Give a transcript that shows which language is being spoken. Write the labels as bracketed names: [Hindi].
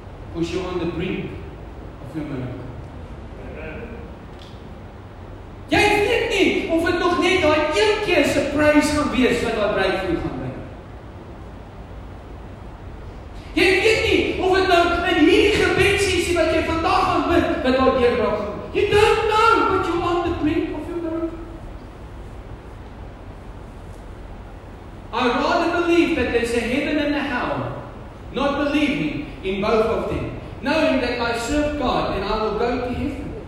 [English] Because you're on the brink of your miracle. [Afrikaans] Jy weet nie of het nog net daai een keer surprise gaan wees wat daai breakthrough gaan bring. Jy weet nie of het nou in hierdie gebedsessie wat jy vandag gaan bid wat daai deurbraak gaan. [English] You don't know what you want to bring of your miracle. I rather believe that there's a heaven and a hell, not believing in both of them, knowing that I serve God and I will go to heaven.